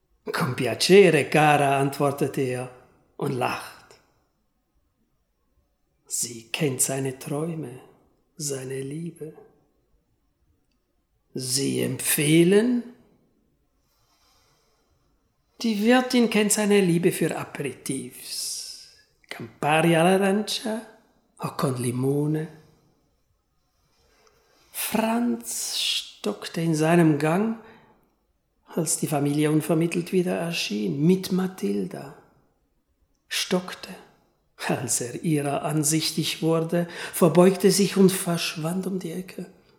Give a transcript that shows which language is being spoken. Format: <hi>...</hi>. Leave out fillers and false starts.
<it>Con piacere, cara,</it> <de>antwortet er. Und lacht. Sie kennt seine Träume, seine Liebe. Sie empfehlen? Die Wirtin kennt seine Liebe für Aperitifs.</de> <it>Campari all'arancia o con limone?</it> <de>Franz stockte in seinem Gang, als die Familie unvermittelt wieder erschien, mit Matilda. Stockte, als er ihrer ansichtig wurde, verbeugte sich und verschwand um die Ecke.</de>